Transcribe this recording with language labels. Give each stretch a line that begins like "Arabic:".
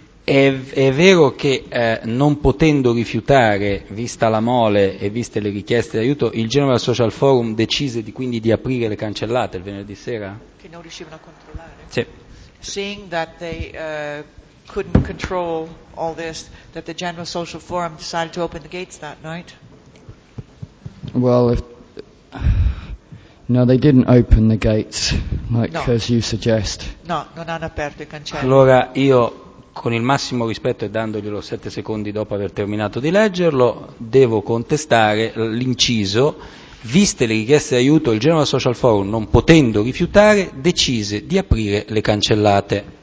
Italian: È vero che non potendo rifiutare, vista la mole e viste le richieste di aiuto, il Genova Social Forum decise quindi di aprire le cancellate il venerdì sera? Che non riuscivano a controllare? Sì.
English: Seeing that they couldn't control all this, that the Genova Social Forum decided to open the gates that night? Well, no, they didn't open the gates, as you suggest.
Italian: No, non hanno aperto i cancelli. Allora io, con il massimo rispetto e danglielo 7 secondi dopo aver terminato di leggerlo, devo contestare l'inciso: viste le richieste di aiuto, il Genova Social Forum, non potendo rifiutare, decise di aprire le cancellate.